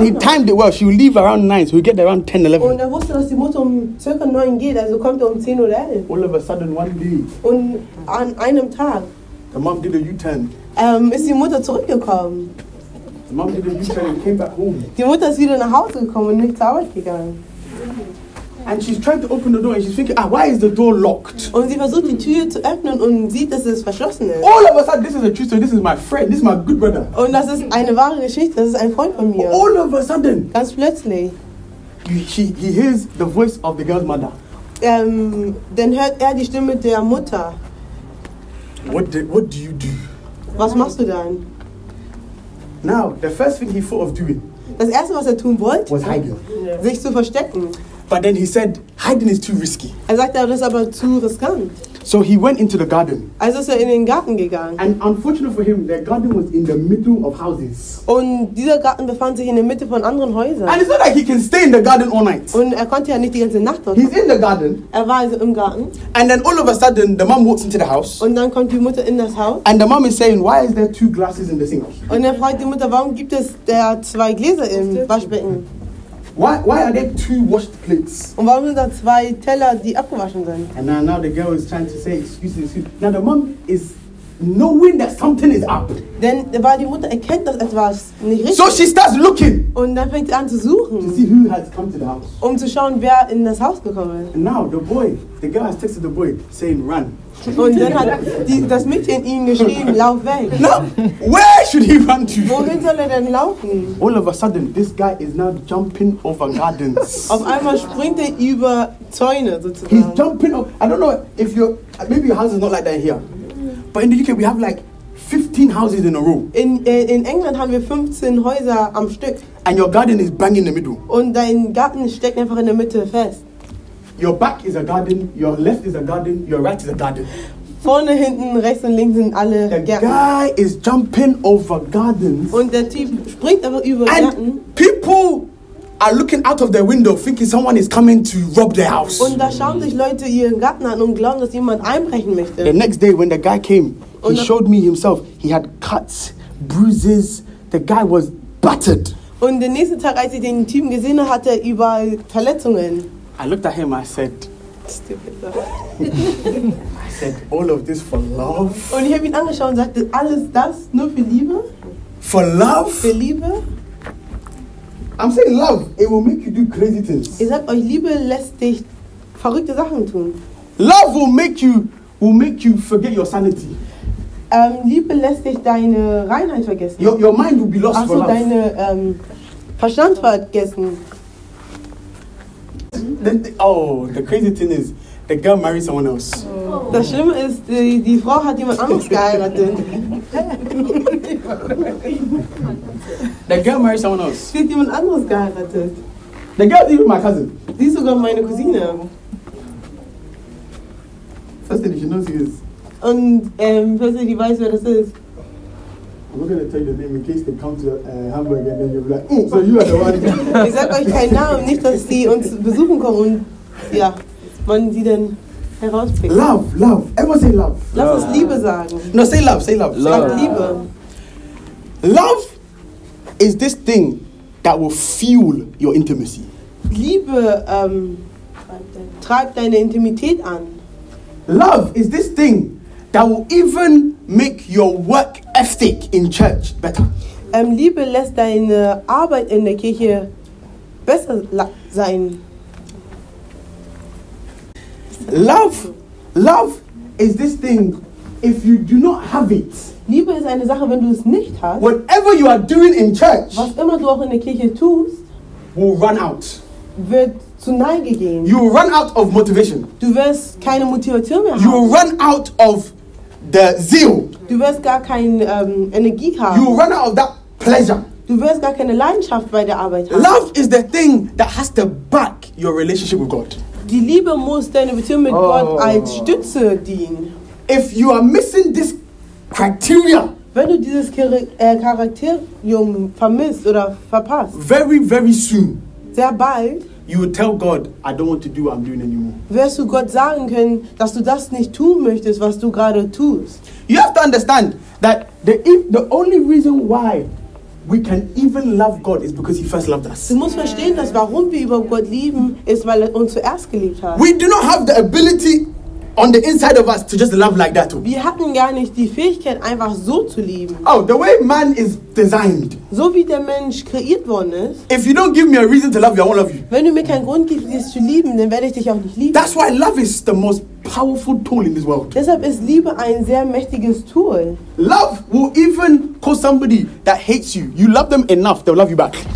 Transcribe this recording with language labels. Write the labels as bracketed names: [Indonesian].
[English] And he timed it well. She would leave around 9, so he'd get there around 10, 11. [German] Und er wusste, dass die Mutter circa 9 geht, also kommt um 10 oder 11. [English] All of a sudden, one day. [German] Und an einem Tag. [English] The mom did a U-turn. [German] Ist die Mutter zurückgekommen. [English] The mom did a U-turn and came back home. [German] Die Mutter ist wieder nach Hause gekommen und nicht zur Arbeit gegangen. [English] And she's trying to open the door and she's thinking, why is the door locked? [German] Und sie versucht die Tür zu öffnen und sieht, dass es verschlossen ist. [English] All of a sudden, this is a true story, this is my friend, this is my good brother. [German] Und das ist eine wahre Geschichte, das ist ein Freund von mir. [English] All of a sudden. [German] Ganz plötzlich. [English] He hears the voice of the girl's mother. [German] Dann hört er die Stimme der Mutter. [English] What do you do? [German] Was machst du dann? [English] Now, the first thing he thought of doing. [German] Das erste, was er tun wollte, [English] was hiding. [German] Sich zu verstecken. [English] But then he said, hiding is too risky. [German] Er sagte, das ist aber zu riskant. [English] So he went into the garden. [German] Also ist er in den Garten gegangen. [English] And unfortunately for him, the garden was in the middle of houses. [German] Und dieser Garten befand sich in der Mitte von anderen Häusern. [English] And it's not like he can stay in the garden all night. [German] Und er konnte ja nicht die ganze Nacht dort. [English] He's in the garden. [German] Er war also im Garten. [English] And then all of a sudden, the mom walks into the house. [German] Und dann kommt die Mutter in das Haus. [English] And the mom is saying, why is there two glasses in the sink? [German] Und er fragt die Mutter, warum gibt es da zwei Gläser im Waschbecken? [English] Why are there two washed plates? [German] Und warum sind da zwei Teller, die abgewaschen sind? [English] And now the girl is trying to say excuse. Now the mom is knowing that something is up. [German] Denn weil die Mutter erkennt, dass etwas nicht richtig. [English] So she starts looking. [German] Und dann fängt sie an zu suchen. [English] To see who has come to the house. [German] Um zu schauen, wer in das Haus gekommen ist. [English] And now the girl has texted the boy saying run. [German] Und dann hat das Mädchen ihm geschrieben, lauf weg. [English] No, where should he run to? [German] Wohin soll er denn laufen? [English] All of a sudden, this guy is now jumping over gardens. [German] Auf einmal springt er über Zäune sozusagen. [English] He's jumping over. I don't know if you're. Maybe your house is not like that here. But in the UK, we have like 15 houses in a row. [German] In England haben wir 15 Häuser am Stück. [English] And your garden is bang in the middle. [German] Und dein Garten steckt einfach in der Mitte fest. [English] Your back is a garden, your left is a garden, your right is a garden. [German] Vorne, hinten, rechts und links sind alle Gärten. [English] The guy is jumping over gardens. [German] Und der Typ springt aber über [English] and [German] Gärten. [English] People are looking out of their window thinking someone is coming to rob their house. [German] Und da schauen sich Leute ihren Garten an und glauben, dass jemand einbrechen möchte. [English] The next day when the guy came, he showed me himself. He had cuts, bruises, the guy was battered. [German] Und den nächsten Tag, als ich den Typ gesehen habe, hatte er überall Verletzungen. [English] I looked at him, I said, stupid. I said, all of this for love? [German] Und ich habe ihn angeschaut und sagte, alles das nur für Liebe? [English] For love? [German] Für Liebe? [English] I'm saying love, it will make you do crazy things. [German] Ich sag euch, Liebe lässt dich verrückte Sachen tun. [English] Love will make you forget your sanity. [German] Liebe lässt dich deine Reinheit vergessen. [English] Your mind will be lost [German] also [English] for love. [German] Also deine Verstand vergessen. [English] The crazy thing is, the girl married someone else. Oh. [German] Das Schlimme ist, die Frau hat jemand anderes geheiratet. [English] The girl married someone else. [German] Sie hat jemand anderes geheiratet. [English] The girl is even my cousin. [German] Sie ist sogar meine Cousine. [English] First thing, she knows who she is. [German] Und [English] first thing, [German] die weiß, wer das ist. [English] I'm not going to tell you the name in case they come to Hamburg and then you'll be like, so you are the one. [German] Ich sag euch keinen Namen, nicht, dass sie uns besuchen kommen und ja, wann sie denn herauspicken. [English] Love. Everyone say love. [German] Lass uns Liebe sagen. [English] No, say love. [German] Love. Sag Liebe. [English] Love is this thing that will fuel your intimacy. [German] Liebe treibt deine Intimität an. [English] Love is this thing that will even make your work ethic in church better. [German] Liebe lässt deine Arbeit in der Kirche besser sein. [English] Love is this thing, if you do not have it. [German] Liebe ist eine Sache, wenn du es nicht hast. [English] Whatever you are doing in church, [German] was immer du auch in der Kirche tust, [English] will run out. [German] wird zu nein gegeben. [English] You will run out of motivation. [German] Du wirst keine Motivation mehr haben. [English] You will run out of the zeal. [German] Du wirst gar keine Energie haben. [English] You will run out of that pleasure. [German] Du wirst gar keine Leidenschaft bei der Arbeit haben. [English] Love is the thing that has to back your relationship with God. [German] Die Liebe muss deine Beziehung mit Gott als Stütze dienen. [English] If you are missing this criteria, [German] wenn du dieses Charakterium vermisst oder verpasst, [English] very very soon, [German] sehr bald, [English] you will tell God, I don't want to do what I'm doing anymore. [German] Wirst du Gott sagen können, dass du das nicht tun möchtest, was du gerade tust? [English] You have to understand that the only reason why we can even love God is because He first loved us. [German] Du musst verstehen, dass warum wir überhaupt Gott lieben, ist weil er uns zuerst geliebt hat. [English] We do not have the ability on the inside of us to just love like that. [German] Wir hatten gar nicht die Fähigkeit, einfach so zu lieben. [English] Oh, the way man is designed. [German] So wie der Mensch kreiert worden ist. [English] If you don't give me a reason to love you, I won't love you. [German] Wenn du mir keinen Grund gibst, dich zu lieben, dann werde ich dich auch nicht lieben. [English] That's why love is the most powerful tool in this world. [German] Deshalb ist Liebe ein sehr mächtiges Tool. [English] Love will even call somebody that hates you. You love them enough, they'll love you back.